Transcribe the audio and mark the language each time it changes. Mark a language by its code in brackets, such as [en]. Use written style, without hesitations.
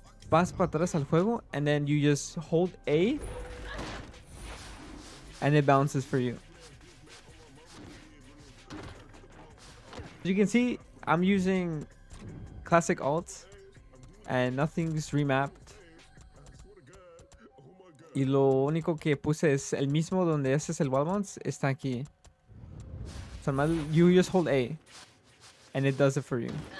[es] Vas para atrás al juego, [en] and then you just hold A and it bounces for you. As you can see, I'm using classic alt and nothing's remapped. [es] Y lo único que puse es el mismo donde este es el wallbounce, está aquí. [en] So you just hold A and it does it for you.